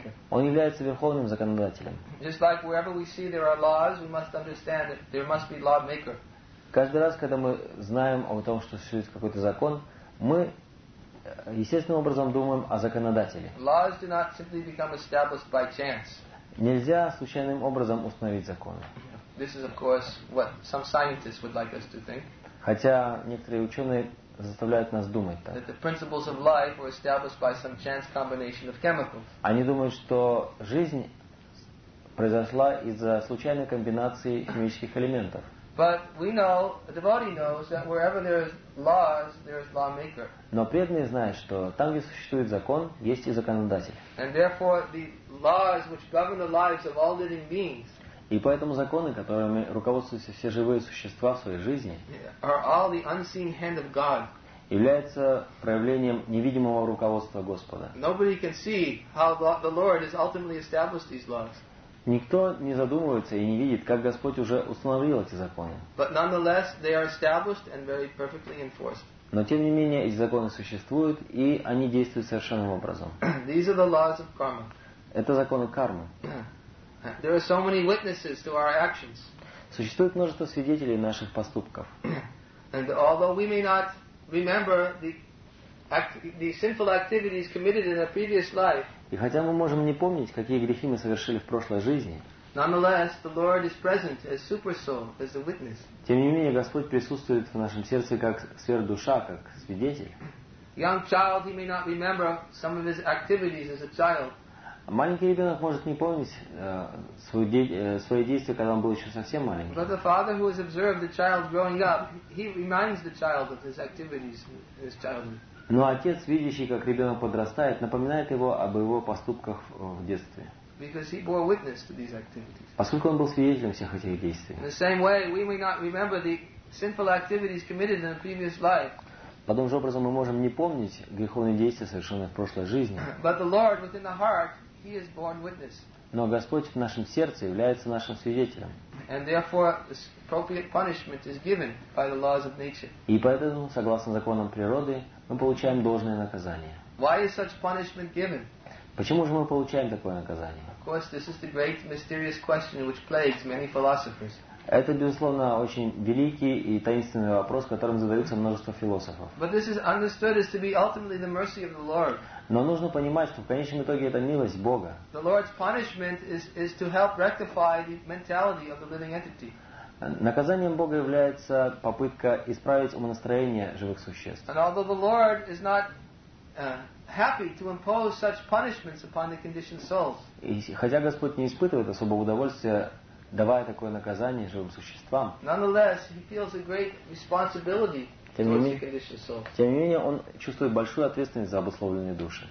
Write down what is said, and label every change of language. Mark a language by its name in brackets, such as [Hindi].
[Russian] Он является верховным законодателем. Каждый раз, когда мы знаем о том, что существует какой-то закон, мы естественным образом думаем о законодателе. [English] Laws do not simply become established by chance. [Russian] Нельзя случайным образом установить законы. [English] This is, of course, what some scientists would like us to think. [Russian] Хотя некоторые ученые заставляют нас думать так. [English] That the principles of life were established by some chance combination of chemicals. [Russian] Они думают, что жизнь произошла из-за случайной комбинации химических элементов. [English] But we know, the devotee knows that wherever there is laws, there is lawmaker. [Russian] Но преданный знает, что там, где существует закон, есть и законодатель. [English] And therefore, the laws which govern the lives of all living beings. [Russian] И поэтому законы, которыми руководствуются все живые существа в своей жизни, являются проявлением невидимого руководства Господа. [English] Nobody can see how the Lord has ultimately established these laws. [Russian] Никто не задумывается и не видит, как Господь уже установил эти законы. [English] But nonetheless, they are established and very perfectly enforced. [Russian] Но тем не менее, эти законы существуют, и они действуют совершенным образом. [English] These are the laws of karma. [Russian] Это законы кармы. [English] There are so many witnesses to our actions. [Russian] Существует множество свидетелей наших поступков. [English] And although we may not remember the sinful activities committed in a previous life, [Russian] и хотя мы можем не помнить, какие грехи мы совершили в прошлой жизни, [English] nonetheless, the Lord is present as super soul, as the witness. [Russian] Тем не менее, Господь присутствует в нашем сердце как сверхдуша, как свидетель. [English] Young child, he may not remember some of his activities as a child. [Russian] Маленький ребенок может не помнить свои действия, когда он был еще совсем маленьким. [English] But the father who has observed the child growing up, he reminds the child of his activities in his childhood. [Russian] Но отец, видящий, как ребенок подрастает, напоминает его об его поступках в детстве. [English] Because he bore witness to these activities. [Russian] Поскольку он был свидетелем всех этих действий. [English] In the same way, we may not remember the sinful activities committed in a previous life. [Russian] Подобным же образом мы можем не помнить греховные действия, совершенные в прошлой жизни. [English] But the Lord within the heart, He is born witness. [Russian] Но Господь в нашем сердце является нашим свидетелем. [English] And therefore, appropriate punishment is given by the laws of nature. [Russian] И поэтому, согласно законам природы, мы получаем должное наказание. [English] Why is such punishment given? [Russian] Почему же мы получаем такое наказание? [English] Of course, this is the great mysterious question which plagues many philosophers. [Russian] Это, безусловно, очень великий и таинственный вопрос, которым задаются множество философов. [English] But this is understood as to be ultimately the mercy of the Lord. [Russian] Но нужно понимать, что в конечном итоге это милость Бога. [English] The Lord's punishment is to help rectify the mentality of the living entity. [Russian] Наказанием Бога является попытка исправить умонастроение живых существ. [English] And although the Lord is not happy to impose such punishments upon the conditioned souls. [Russian] И хотя Господь не испытывает особого удовольствия, давая такое наказание живым существам, [English] nonetheless, he feels a great responsibility. [Russian] Тем не менее, он чувствует большую ответственность за обусловленные души.